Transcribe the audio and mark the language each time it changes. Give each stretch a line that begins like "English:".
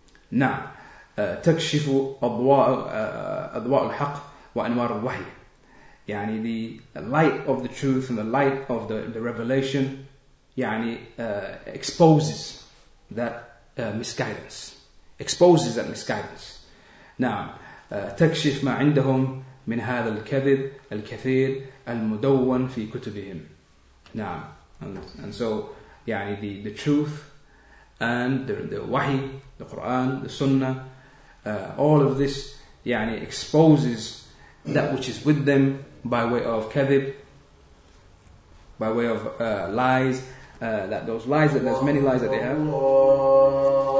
English: Now,
Arabic: تكشف أضواء الحق وأنوار الوحي.
English: يعني the light of the truth and the light of the revelation يعني exposes that misguidance. Exposes that misguidance. Now,
Arabic: تكشف ما عندهم من هذا الكذب الكثير المدون في كتبهم.
English: Now, and so يعني the truth and the wahi, the Quran, the Sunnah, all of this يعني exposes that which is with them by way of kadhib, by way of lies, that those lies, that there's many lies that they have.